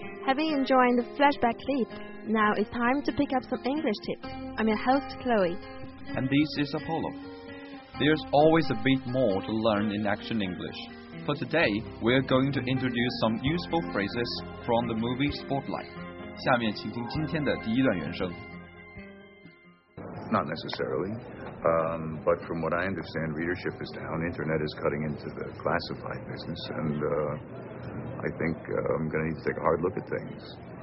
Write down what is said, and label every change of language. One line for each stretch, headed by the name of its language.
English: Having enjoyed the flashback clip, now it's time to pick up some English tips. I'm your host, Chloe. And this is Apollo. There's always a bit more to learn in Action English. For today, we're going to introduce some useful phrases from the movie Spotlight.
Chinese: 下面请听今天的第一段原声。
English: Not necessarily, but from what I understand, readership is down. Internet is cutting into the classified business, and I think I'm going to need to take a hard look at things.